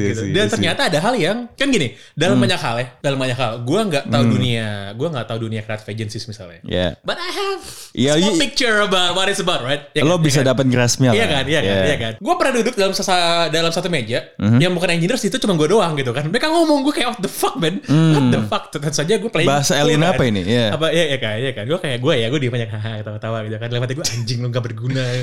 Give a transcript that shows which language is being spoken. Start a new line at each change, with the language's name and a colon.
Indonesian: Dan ternyata ada hal yang kan gini, dalam banyak hal ya, dalam banyak hal. Gue enggak tahu dunia creative agencies misalnya. Ya. Yeah.
English: But I have a small picture about what it's about, right?
Indonesian: Yeah, lo kan, bisa dapat grasp-nya. Iya kan? Iya kan? Iya kan? Gue pernah duduk dalam satu meja yang bukan engineer, itu cuma gue doang gitu kan. Mereka ngomong gue kayak
English: what the fuck, man?
Indonesian: Tentu saja gue playing bahasa alien apa ini? Yeah. Apa ya kayaknya kan. Gue kayak gue ya, gue di banyak ketawa-tawa gitu kan. Lewat gue anjing lu enggak berguna.